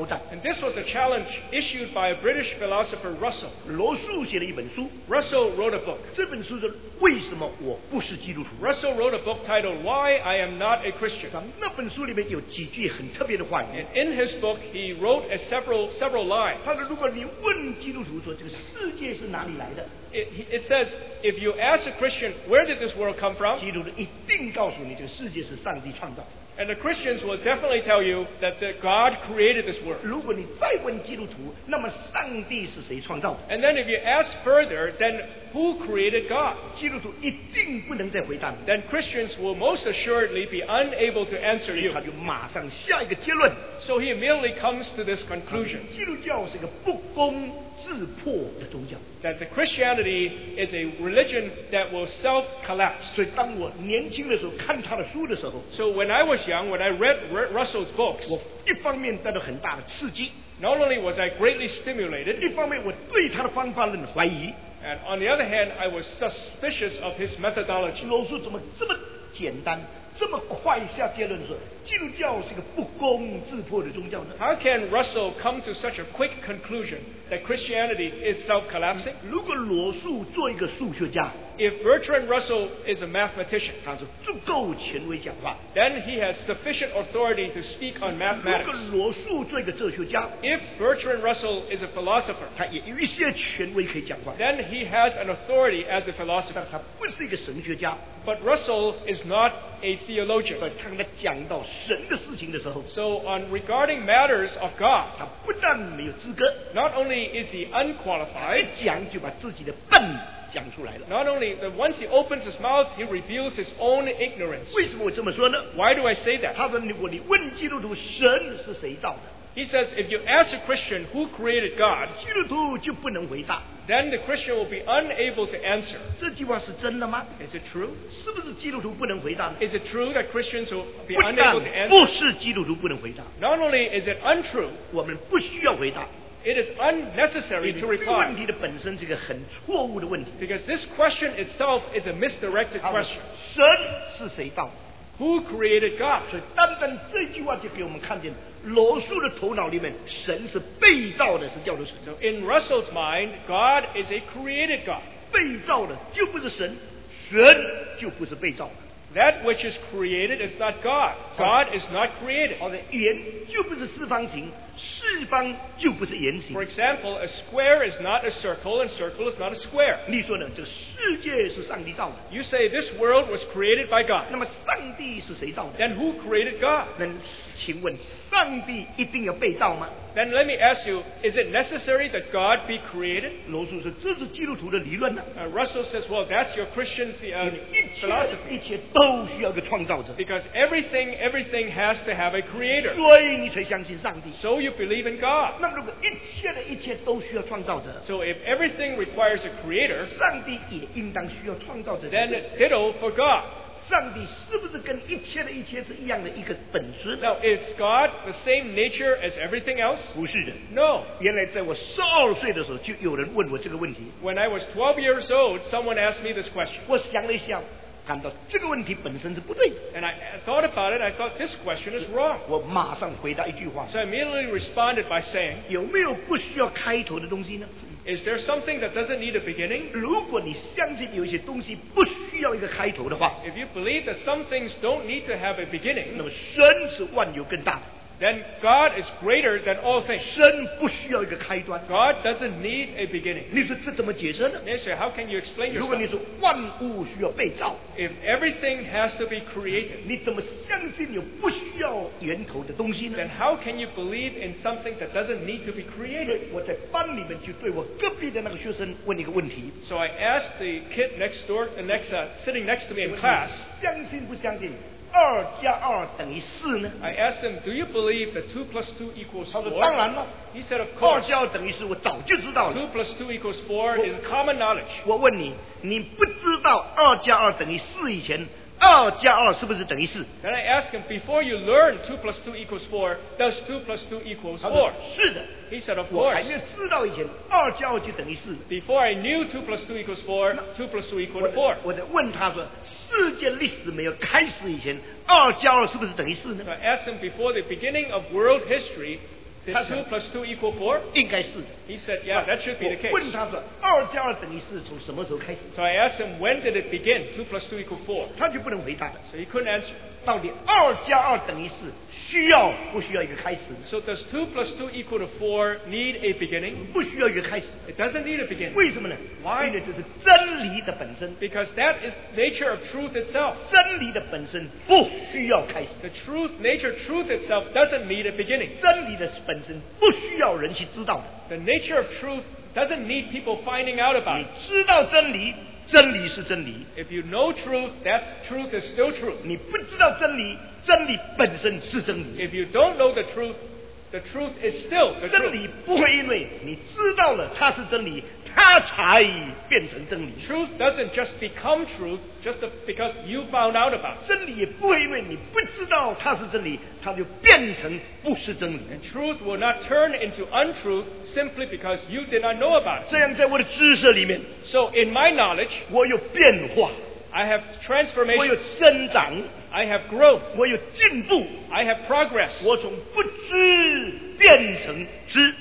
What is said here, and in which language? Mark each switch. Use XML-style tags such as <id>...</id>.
<en>And this was a challenge issued by a British philosopher Russell.</en> <zh>罗素写了一本书,</zh> <en>Russell wrote a book.</en> <zh>这本书是为什么我不是基督徒?</zh> <en>Russell wrote a book titled Why I Am Not a Christian.</en> <zh>那本书里面有几句很特别的话语,</zh> <en>and in his book, he wrote several lines.</en> <zh>他说如果你问基督徒说这个世界是哪里来的,</zh> <en>it says, if you ask a Christian, where did this world come from? And the Christians will definitely tell you that God created this world.</en> <zh>如果你再问基督徒,</zh> <en>and then if you ask further, then who created God?</en> <zh>基督徒一定不能再回答你,</zh> <en>then Christians will most assuredly be unable to answer you. So he immediately comes to this conclusion.</en> <zh>基督教是一个不攻自破的宗教。</zh> <en>That the Christianity is a religion that will self-collapse. So when I was young, when I read Russell's books,</en> <zh>我一方面带着很大的刺激,</zh> <en>not only was I greatly stimulated,</en> <zh>一方面我对他的方法论怀疑,</zh> <en>and on the other hand, I was suspicious of his methodology.</en> <zh>罗素怎么这么简单, 这么快下结论说, 基督教是一个不攻自破的宗教呢?</zh> <en>How can Russell come to such a quick conclusion that Christianity is self-collapsing?</en> <zh>如果罗素做一个数学家,</zh> <en>if Bertrand Russell is a mathematician,</en> <zh>他说足够权威讲话,</zh> <en>then he has sufficient authority to speak on mathematics.</en> <zh>如果罗素做一个哲学家,</zh> <en>if Bertrand Russell is a philosopher,</en> <zh>他也有一些权威可以讲话,</zh> <en>then he has an authority as a philosopher.</en> <zh>但他不是一个神学家,</zh> <en>but Russell is not a theologian.</en> <zh>但他讲到 神的事情的时候,</zh> <en>so on regarding matters of God,</en> <zh>他不但没有资格,</zh> <en>not only is he unqualified,</en> <zh>他一讲就把自己的笨讲出来了,</zh> <en>not only that once he opens his mouth, he reveals his own ignorance.</en> <zh>为什么我这么说呢?</zh> <en>Why do I say that?</en> <zh>他说你问基督徒神是谁造的?</zh> <en>He says, if you ask a Christian who created God,</en> <zh>基督徒就不能回答,</zh> <en>then the Christian will be unable to answer.</en> <zh>这句话是真的吗?</zh> <en>Is it true?</en> <zh>是不是基督徒不能回答呢?</zh> <en>Is it true that Christians will be unable to answer?</en> <zh>不是基督徒不能回答,</zh> <en>not only is it untrue,</en> <zh>我们不需要回答,</zh> <en>it is unnecessary to reply. Because this question itself is a misdirected question.</en> <zh>神是谁造的?</zh> <en>Who created God?</en> <zh>所以单单这句话就给我们看见, 罗素的头脑里面, 神是被造的, 是叫做神。</zh> <en>So in Russell's mind, God is a created God.</en> <zh>被造的就不是神, 神就不是被造的。</zh> <en>That which is created is not God. God is not created.</en> <zh>好的, 圆就不是四方形,四方就不是圆形。</zh> <en>For example, a square is not a circle, and circle is not a square.</en> <zh>你说呢？这个世界是上帝造的。</zh> <en>You say this world was created by God.</en> <zh>那么上帝是谁造的？</zh> <en>Then who created God?</en> <zh>那请问，上帝一定要被造吗？</zh> <en>Then let me ask you, is it necessary that God be created?</en> <zh>罗素说，这是基督徒的理论呢。</zh> <en>Russell says, well, that's your Christian philosophy.</en> <zh>一切都需要个创造者。</zh> <en>Because everything has to have a creator.</en> <zh>所以你才相信上帝。</zh> <en>So you believe in God.</en> <zh>那么如果一切的一切都需要创造者，</zh> <en>so if everything requires a creator,</en> <zh>上帝也应当需要创造者。</zh> <en>Then ditto for God.</en> <zh>上帝是不是跟一切的一切是一样的一个本质？</zh> <en>Now is God the same nature as everything else?</en> <zh>不是的。</zh> <en>No.</en> <zh>原来在我12岁的时候就有人问我这个问题。</zh> <en>When I was 12 years old, someone asked me this question.</en> <zh>我想了一下，感到这个问题本身是不对。</zh> <en>And I thought about it. I thought this question is wrong.</en> <zh>我马上回答一句话。</zh> <en>So I immediately responded by saying,</en> <zh>有没有不需要开头的东西呢？</zh> <en>Is there something that doesn't need a beginning?</en> <zh>如果你相信有些东西不需要一个开头的话，</zh> <en>If you believe that some things don't need to have a beginning,</en> <zh>那么神是万有更大的。</zh> <en>Then God is greater than all things.</en> <zh>神不需要一个开端。</zh> <en>God doesn't need a beginning.</en> <zh>你说这怎么解释呢？</zh> <en>Yes, sir, how can you explain yourself?</en> <zh>如果你说万物需要被造，</zh> <en>If everything has to be created,</en> <zh>你怎么相信有不需要源头的东西呢？</zh> <en>Then how can you believe in something that doesn't need to be created?</en> <zh>我在班里面就对我隔壁的那个学生问一个问题。</zh> <en>So I asked the kid next door, the next, sitting next to me in class,</en> <zh>相信不相信二加二等于四呢？</zh> <en>I asked him, do you believe that 2 plus 2 equals 4?</en> <zh>他说当然了。</zh> <en>He said, of course.</en> <zh>二加二等于四，我早就知道了。</zh> <en>2 plus 2 equals 4 is common knowledge.</en> <zh>我问你，你不知道二加二等于四以前，二加二是不是等于四？</zh> <en>Then I asked him, before you learn 2 plus 2 equals 4, does 2 plus 2 equals 4?</en> <zh>是的。</zh> <en>He said, of course.</en> <zh>我还没知道以前，二加二就等于四。</zh> <en>Before I knew 2 plus 2 equals 4, 2 plus 2 equals 4.</en> <zh>我在问他说，世界历史没有开始以前，二加二是不是等于四呢？</zh> <en>So I asked him, before the beginning of world history, did 2 plus 2 equal 4?</en> <zh>应该是。</zh> <en>He said, yeah, that should be the case.</en> <zh>我问他说，二加二等于四从什么时候开始？</zh> <en>So I asked him, when did it begin? 2 plus 2 equal 4.</en> <zh>他就不能回答了。</zh> <en>So he couldn't answer.</en> <zh>到底二加二等于四需要不需要一个开始？</zh> <en>So does 2 plus 2 equal to 4 need a beginning?</en> <zh>不需要一个开始。</zh> <en>It doesn't need a beginning.</en> <zh>为什么呢？</zh> <en>Why?</en> <zh>因为这是真理的本身。</zh> <en>Because that is nature of truth itself.</en> <zh>真理的本身不需要开始。</zh> <en>The truth, nature, truth itself doesn't need a beginning.</en> <zh>真理的本身不需要人去知道的。</zh> <en>The nature of truth doesn't need people finding out about it.</en> <zh>你知道真理，真理是真理。</zh> <en>If you know truth, that truth is still truth.</en> <zh>你不知道真理，真理本身是真理。</zh> <en>If you don't know the truth is still the truth.</en> <zh>真理不会因为你知道了它是真理，它才变成真理。</zh> <en>Truth doesn't just become truth just because you found out about it.</en> <zh>真理也不会因为你不知道它是真理，它就变成不是真理。</zh> <en>And truth will not turn into untruth simply because you did not know about it.</en> <zh>这样在我的知识里面，</zh> <en>so in my knowledge,</en> <zh>我有变化，</zh> <en>I have transformation,</en> <zh>我有增长，</zh> <en>I have growth,</en> <zh>我有进步，</zh> <en>I have progress,</en> <zh>我从不知变成知，</zh>